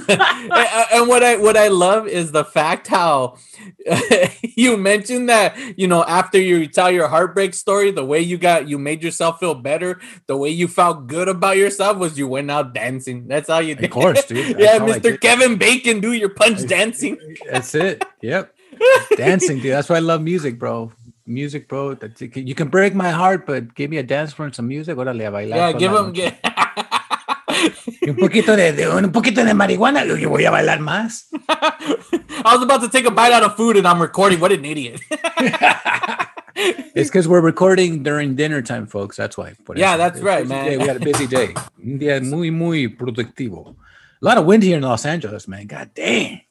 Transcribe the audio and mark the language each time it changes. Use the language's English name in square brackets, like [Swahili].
[English] And what I love is the fact how you mentioned that, you know, after you tell your heartbreak story, the way you made yourself feel better, the way you felt good about yourself was you went out dancing. That's how you did. Of course, dude. Yeah, Mr. Kevin Bacon, dude, you're punch dancing. That's it. Yep. Dancing, dude. That's why I love music, bro. Music, bro. You can break my heart, but give me a dance for some music. [Spanish] Órale, a bailar. [English] Yeah, give him. [Spanish] Un poquito de un poquito de marihuana, yo voy a bailar más. [English] I was about to take a bite out of food and I'm recording. What an idiot. It's because we're recording during dinner time, folks. That's why. But yeah, that's right, man. Day. We had a busy day. [Spanish] Un día muy, muy productivo. [English] A lot of wind here in Los Angeles, man. God damn.